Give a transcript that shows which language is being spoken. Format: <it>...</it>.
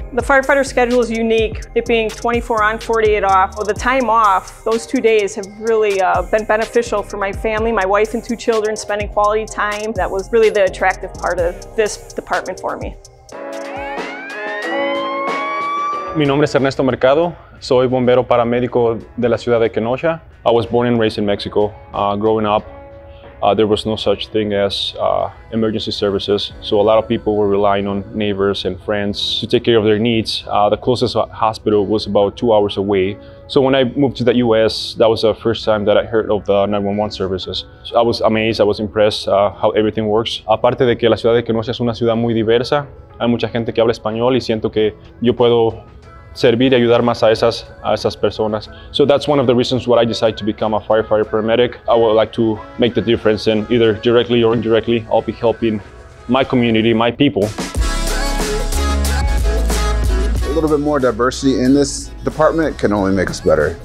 <en>The firefighter schedule is unique, it being 24 on, 48 off. Well, the time off, those 2 days have really been beneficial for my family, my wife and 2 children, spending quality time. That was really the attractive part of this department for me.</en> <es>Mi nombre es Ernesto Mercado. Soy bombero paramédico de la ciudad de Kenosha.</es> <en>I was born and raised in Mexico. Growing up, there was no such thing as emergency services. So a lot of people were relying on neighbors and friends to take care of their needs. The closest hospital was about 2 hours away. So when I moved to the US, that was the first time that I heard of the 911 services. So I was amazed, I was impressed how everything works.</en> <es>Aparte de que la ciudad de Kenosha es una ciudad muy diversa, hay mucha gente que habla español y siento que yo puedo servir y ayudar más a esas personas.</es> <en>So that's one of the reasons why I decided to become a firefighter paramedic. I would like to make the difference, and either directly or indirectly, I'll be helping my community, my people. A little bit more diversity in this department can only make us better.</en>